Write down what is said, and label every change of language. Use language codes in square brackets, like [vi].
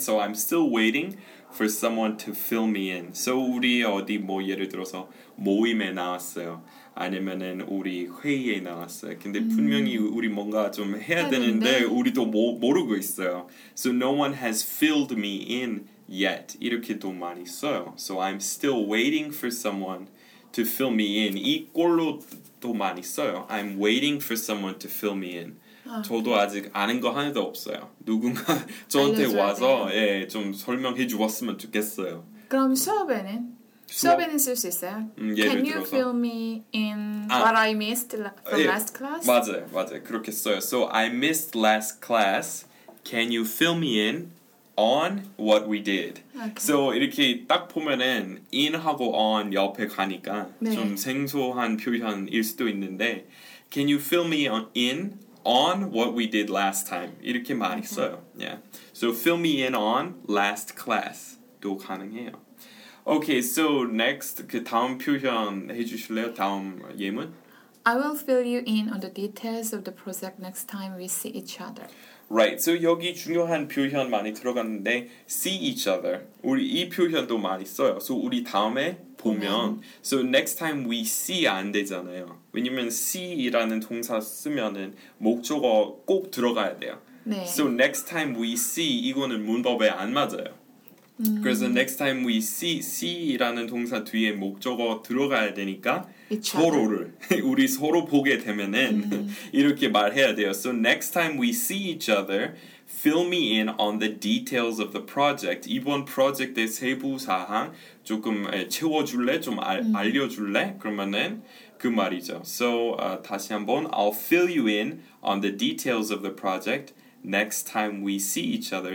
[en] So I'm still waiting for someone to fill me in. [ko] So 우리 어디 뭐 예를 들어서 모임에 나왔어요. 아니면은 우리 회의에 나왔어요. 근데 분명히 우리 뭔가 좀 해야 되는데 우리도 모르고 있어요. [en] So no one has filled me in yet. [ko] 이렇게도 많이 써요. [en] So I'm still waiting for someone to fill me in. [ko] 이 꼴로도 많이 써요. [en] I'm waiting for someone to fill me in. [ko] 아, 저도 그래. 아직 아는 거 하나도 없어요. 누군가 저한테 와서 예, 좀 설명해 주었으면 좋겠어요. 그럼 수업에는? 수업에는 쓸 수 있어요? 예를 [en] Can [ko] 들어서. [en] Can you fill me in what I missed from 예, last class? [ko] 맞아요. 그렇게 써요. [en] So I missed last class. Can you fill me in on what we did? Okay. [ko] So 이렇게 딱 보면은 in하고 on 옆에 가니까 네. 좀 생소한 표현일 수도 있는데 [en] Can you fill me in on what we did last time. [ko] 이렇게 많이 써요. [en] Yeah. So fill me in on last class도 가능해요. Okay, so next, [ko] 그 다음 표현 해주실래요? 다음 예문? [en] I will fill you in on the details of the project next time we see each other. Right, so [ko] 여기 중요한 표현 많이 들어갔는데 see each other. 우리 이 표현도 많이 써요. So 우리 다음에 보면 [en] So next time we see [ko] 안 되잖아요. 왜냐면 see라는 동사 쓰면은 목적어 꼭 들어가야 돼요. 네. [en] So next time we see [ko] 이거는 문법에 안 맞아요. 그래서 next time we see라는 동사 뒤에 목적어 들어가야 되니까 서로를 우리 서로 보게 되면은 이렇게 말해야 돼요. [en] So next time we see each other, fill me in on the details of the project. [ko] 이번 프로젝트의 세부 사항 조금 채워줄래? 좀 알려줄래? 그러면은 그 말이죠. [en] So [ko] 다시 한번 [en] I'll fill you in on the details of the project next time we see each other.